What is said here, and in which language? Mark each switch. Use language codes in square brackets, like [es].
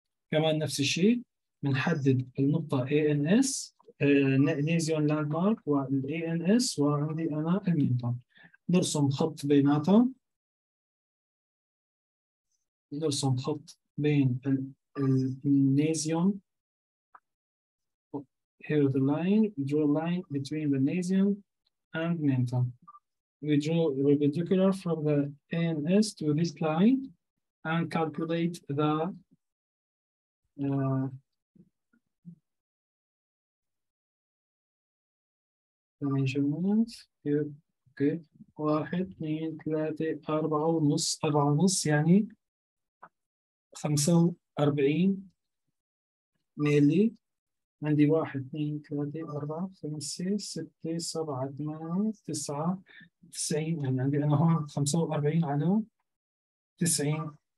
[ar] كمان نفس الشيء بنحدد النقطة ANS نيزيون لاند مارك والـ ANS وعندي أنا المينتون، نرسم خط بيناتهم، نرسم خط بين النيزيون، [en] here the line, we draw a line between the nasion and minton. We draw the perpendicular from the ANS to this line and calculate the measurements. Okay. [ar] واحد اثنين ثلاثة أربعة ونص، أربعة ونص يعني 45 ميلي. عندي واحد اثنين ثلاثة أربعة خمسة ستة سبعة ثمانية تسعة 90، يعني عندي أنا هون 45 على 90.